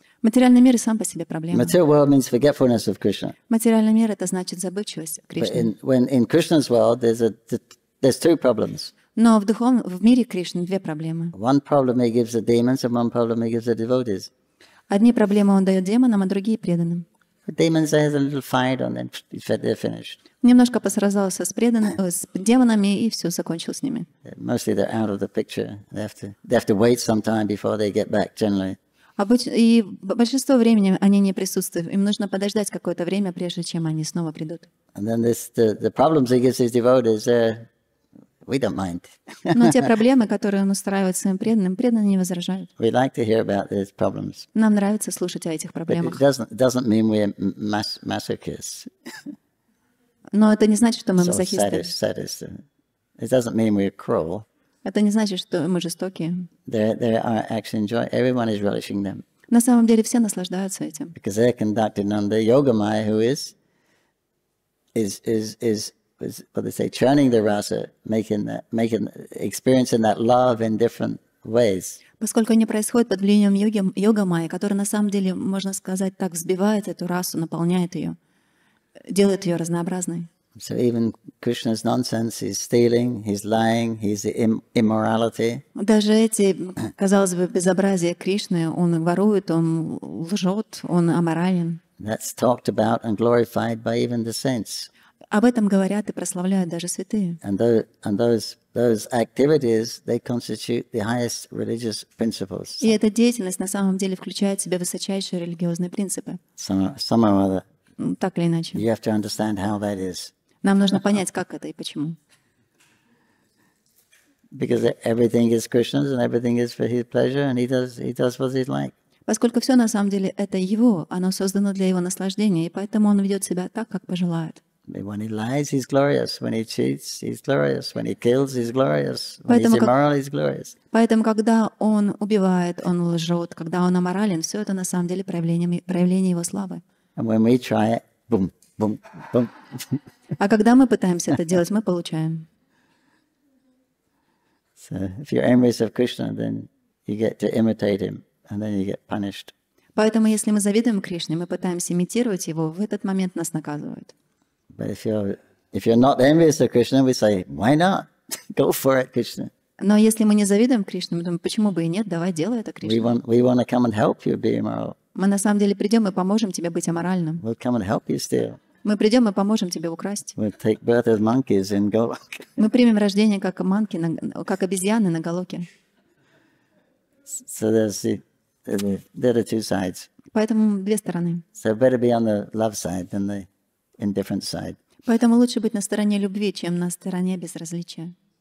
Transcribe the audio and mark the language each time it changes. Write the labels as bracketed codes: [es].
[ru] Материальный мир сам по себе проблема. [en] Material world means forgetfulness of Krishna. [ru] Материальный мир — это значит забывчивость Кришны. [en] When in Krishna's world there's two problems. [ru] Но в духовном, в мире Кришны две проблемы. [en] One problem he gives the demons, and one problem he gives the devotees. [ru] Одни проблемы он дает демонам, а другие преданным. [en] The demons has a little fight and then they're finished. [ru] Немножко посразался с преданными, с демонами, и все, закончил с ними. [en] Mostly they're out of the picture. They have to wait some time before they get back, generally. [ru] И большинство времени они не присутствуют. Им нужно подождать какое-то время, прежде чем они снова придут. [en] And then the problems he gives his devotees, we don't mind. [ru] Но те проблемы, которые он устраивает своим преданным, преданные не возражают. [en] We like to hear about these problems. [ru] Нам нравится слушать о этих проблемах. [en] But it doesn't mean we're masochists. [ru] Но это не значит, что мы мазохисты. [en] Sadist. It doesn't mean we're cruel. [ru] Это не значит, что мы жестокие. [en] They are actually enjoying. Everyone is relishing them. [ru] На самом деле все наслаждаются этим. [en] Because they're conducting under Yogamaya, who is what they say, churning the rasa, making experiencing that love in different ways. [ru] Поскольку они происходят под влиянием Йогамаи, который на самом деле, можно сказать так, взбивает эту расу, наполняет ее, делает ее разнообразной. [en] So even Krishna's nonsense, he's stealing, he's lying, he's immorality. [ru] Даже эти, казалось бы, безобразия Кришны, он ворует, он лжет, он аморален. [en] That's talked about and glorified by even the saints. [ru] Об этом говорят и прославляют даже святые. [en] And those activities, they constitute the highest religious principles. [ru] И эта деятельность на самом деле включает в себя высочайшие религиозные принципы. [en] Some or other. [ru] Так или иначе. [en] You have to understand how that is. [ru] Нам нужно понять, как это и почему. [en] Because everything is Krishna's and everything is for his pleasure and he does what he likes. [ru] Поскольку все на самом деле это его, оно создано для его наслаждения, и поэтому он ведет себя так, как пожелает. [en] When he lies, he's glorious. When he cheats, he's glorious. When he kills, he's glorious. When he's immoral, he's glorious. [ru] Поэтому, когда он убивает, он лжет. Когда он аморален, все это на самом деле проявление его славы. [en] And when we try it, boom, boom, boom. [ru] А когда мы пытаемся это делать, мы получаем. [en] So, if you're envious of Krishna, then you get to imitate him, and then you get punished. [ru] Поэтому, если мы завидуем Кришне, мы пытаемся имитировать его, в этот момент нас наказывают. [en] But if you're not envious of Krishna, we say, why not? Go for it, Krishna. [ru] Но если мы не завидуем Кришне, мы думаем, почему бы и нет? Давай, делай это, Кришна. [en] We want to come and help you be immoral. [ru] Мы на самом деле придем и поможем тебе быть аморальным. [en] We'll come and help you steal. [ru] Мы придем и поможем тебе украсть. [en] We'll take birth as monkeys in Goloka. [ru] Мы примем рождение как манки, как обезьяны на Голоке. [en] So there are two sides. [ru] Поэтому две стороны. [en] So better be on the love side than the indifferent side. [ru] Поэтому лучше быть на стороне любви, чем на стороне безразличия.